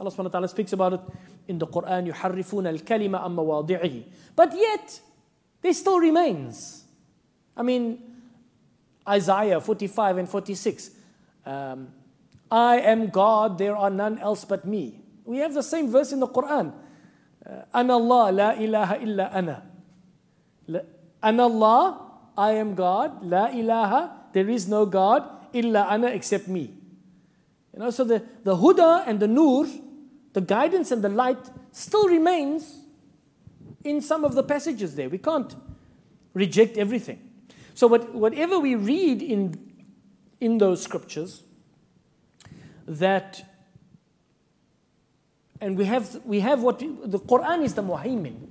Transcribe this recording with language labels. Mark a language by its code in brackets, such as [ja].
[en] Allah subhanahu wa ta'ala speaks about it in the Quran, [ar] يُحَرِّفُونَ الْكَلِمَ أَمَّ وَاضِعِهِ. [en] But yet, there still remains. I mean, Isaiah 45 and 46, I am God, there are none else but me. We have the same verse in the Quran. [ar] أَنَا اللَّهُ لَا إِلَهَ إِلَّا أَنَا أَنَا اللَّهُ, [en] I am God, [ar] لَا إِلَهَ, [en] there is no God, [ar] إِلَّا أَنَا, [en] except me. You know, so the Huda and the Nur, the guidance and the light, still remains in some of the passages there. We can't reject everything. So whatever we read in those scriptures, that, and we have what the Quran is, the Muhaymin.